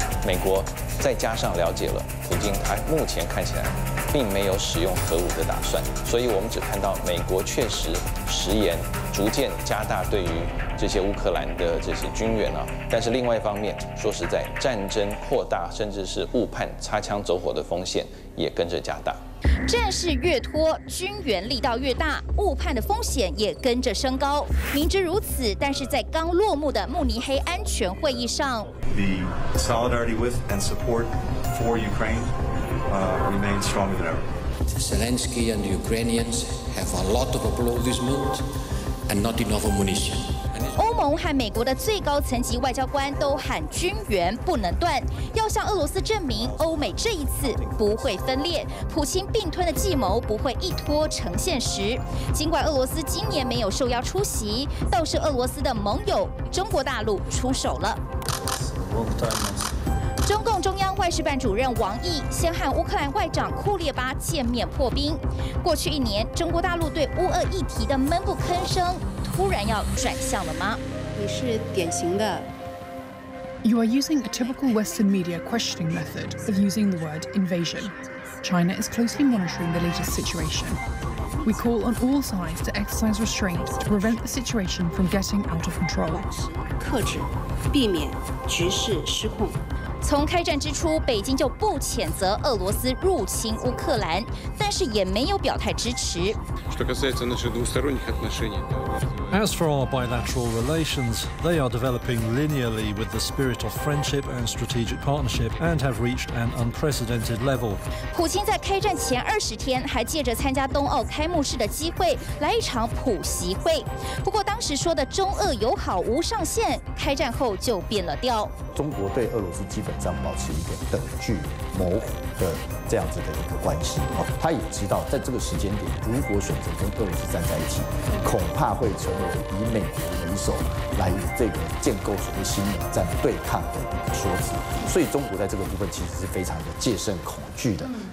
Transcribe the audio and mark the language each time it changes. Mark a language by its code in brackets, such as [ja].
[zh] 美国再加上了解了普京，他目前看起来并没有使用核武的打算，所以我们只看到美国确实食言逐渐加大对于这些乌克兰的这些军援啊，但是另外一方面，说实在，战争扩大甚至是误判、擦枪走火的风险也跟着加大。战事越拖，军援力道越大，误判的风险也跟着升高。明知如此，但是在刚落幕的慕尼黑安全会议上 [en] ，The solidarity with and support for Ukraine remains stronger than ever. Zelensky and Ukrainians have a lot of applaudissement and not enough ammunition. [zh] 欧盟和美国的最高层级外交官都喊军援不能断，要向俄罗斯证明欧美这一次不会分裂，普京并吞的计谋不会一拖成现实。尽管俄罗斯今年没有受邀出席，倒是俄罗斯的盟友中国大陆出手了。中共中央外事办主任王毅先和乌克兰外长库列巴见面破冰。过去一年，中国大陆对乌俄议题的闷不吭声，突然要转向了吗？你是典型的 [en] You are using a typical Western media questioning method of using the word invasion. China is closely monitoring the latest situation. We call on all sides to exercise restraint to prevent the situation from getting out of control. [zh] 克制，避免局势失控。从开战之初，北京就不谴责俄罗斯入侵乌克兰，但是也没有表态支持。 [ru] Что касается наших двусторонних отношений. [en] As for our bilateral relations, they are developing linearly with the spirit of friendship and strategic partnership, and have reached an unprecedented level. [zh] 普京在开战前二十天还借着参加冬奥开幕式的机会来一场普习会，不过当时说的中俄友好无上限，开战后就变了调。中国对俄罗斯基本上保持一个等距模糊的这样子的一个关系，他也知道在这个时间点，如果选择跟俄罗斯站在一起，恐怕会成为以美国为首来这个建构所谓新冷战对抗的一个说辞，所以中国在这个部分其实是非常的戒慎恐惧的。